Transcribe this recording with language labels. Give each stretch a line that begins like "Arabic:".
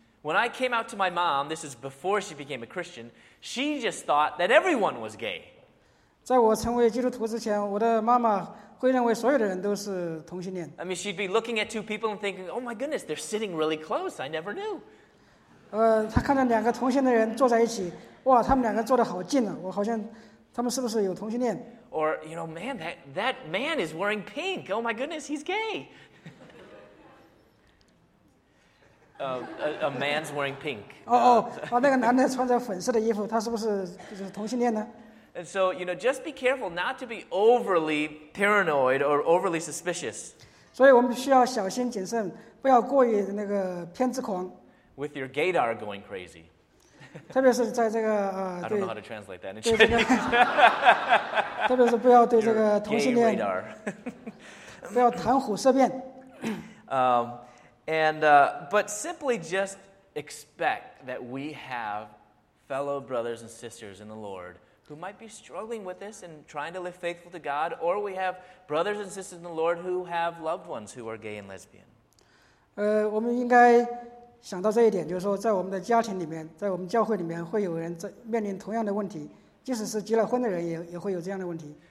English: When I came out to my mom, this is before she became a Christian, she just thought that everyone was gay.
Chinese: 在我成为基督徒之前，我的妈妈会认为所有的人都是同性恋。
English: I mean, she'd be looking at two people and thinking, "Oh my goodness, they're sitting really close. I never knew."
Chinese: 她看到两个同性的人坐在一起，哇，他们两个坐得好近啊！我好像，他们是不是有同性恋
English: ？Or you know, man, that man is wearing pink. Oh my goodness, he's gay. a man's wearing pink.
Chinese: 哦，那个男的穿着粉色的衣服，他是不是就是同性恋呢？
English: And so, you know, just be careful not to be overly paranoid or overly suspicious.
Chinese: 所以我们需要小心谨慎，不要过于那个偏执狂。
English: With your gaydar going crazy.
Chinese: 特别是在这个
English: I don't know how to translate that in Chinese.
Chinese: 特别是不要对这个同性恋。
English: Your gay radar.
Chinese: 不要谈虎色变。
English: But simply just expect that we have fellow brothers and sisters in the Lord who might be struggling with this and trying to live faithful to God, or we have brothers and sisters in the Lord who have loved ones who are gay and lesbian.
Chinese: 我们应该想到这一点，就是说，在我们的家庭里面，在我们教会里面，会有人在面临同样的问题，即使是结了婚的人也会有这样的问题。